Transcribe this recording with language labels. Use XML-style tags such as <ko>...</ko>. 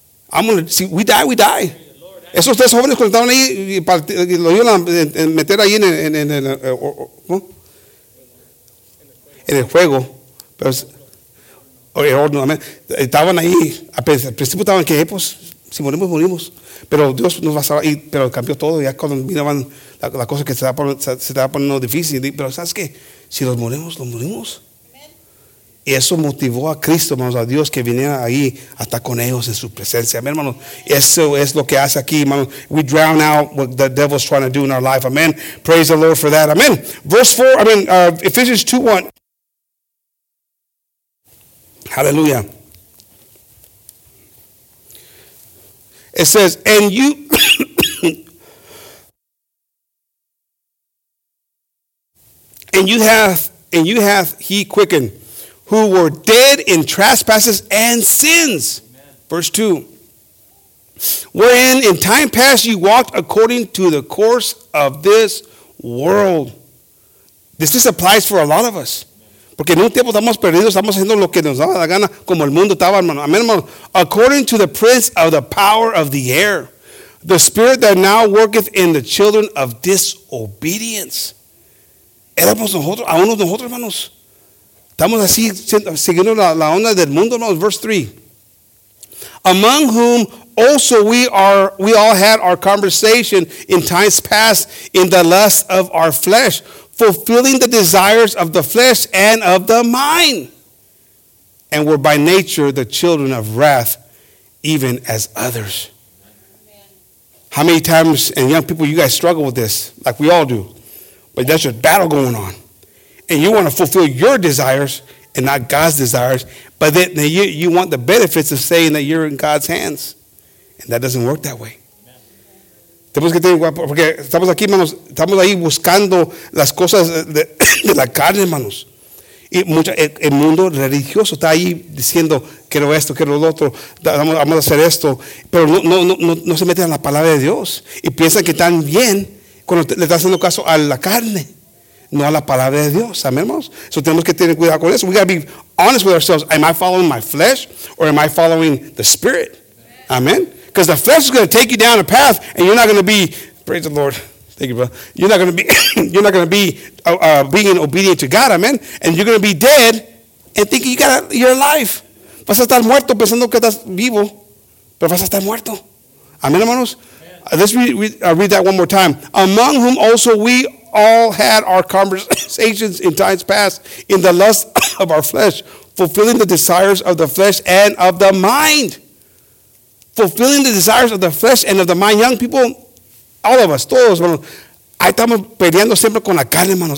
<en>I'm going to, see, we die, we die.</en> <es>Esos tres jóvenes cuando estaban ahí lo iban a meter ahí en el juego, pero el horno, estaban ahí al principio, estaban que pues si morimos morimos, pero Dios nos va a salvar. Pero cambió todo ya cuando miraban la cosa que se estaba poniendo difícil. Pero sabes que si los morimos los morimos. Y eso motivó a Cristo, hermanos, a Dios que viniera ahí hasta con ellos en su presencia. Amén, hermanos. Eso es lo que hace aquí, hermanos.</es> <en>We drown out what the devil's trying to do in our life. Amen. Praise the Lord for that. Amen. Ephesians 2:1. Hallelujah. It says, and you... and you have he quickened, who were dead in trespasses and sins. Amen. Verse 2. Wherein in time past you walked according to the course of this world. This applies for a lot of us. Amen.</en> <es>Porque en un tiempo estamos perdidos, estamos haciendo lo que nos da la gana, como el mundo estaba, hermano. Amen, hermano.</es> <en>According to the prince of the power of the air, the spirit that now worketh in the children of disobedience.</en> <es>Éramos nosotros, a uno de nosotros, hermanos. Estamos así siguiendo la onda del mundo, no,</es> <en>verse 3. Among whom also we all had our conversation in times past in the lust of our flesh, fulfilling the desires of the flesh and of the mind, and were by nature the children of wrath, even as others. Amen. How many times, and young people, you guys struggle with this, like we all do. But there's a battle going on. And you want to fulfill your desires and not God's desires. But then you want the benefits of saying that you're in God's hands. And that doesn't work that way.</en> <es>Tenemos que tener, porque estamos aquí, hermanos, estamos ahí buscando las cosas de la carne, hermanos. Y mucha, el mundo religioso está ahí diciendo, quiero esto, quiero lo otro, vamos a hacer esto. Pero no se meten en la palabra de Dios. Y piensan que están bien cuando le están haciendo caso a la carne, no a la palabra de Dios. Amén, hermanos. So tenemos que tener cuidado con eso.</es> <en>We got to be honest with ourselves. Am I following my flesh or am I following the Spirit? Amén. Because the flesh is going to take you down a path, and you're not going to be, praise the Lord, thank you, brother. You're not going to be, you're not going to be being obedient to God, amen. And you're going to be dead and thinking you got your life.</en> <es>Vas a estar muerto pensando que estás vivo, pero vas a estar muerto.</es> <en>Amen, hermanos. Let's read that one more time. Among whom also we all had our conversations in times past, in the lust of our flesh, fulfilling the desires of the flesh and of the mind. Fulfilling the desires of the flesh and of the mind. Young people, all of us,</en> <es>todos, hermanos. Ahí estamos peleando siempre con la carne, hermanos.</es>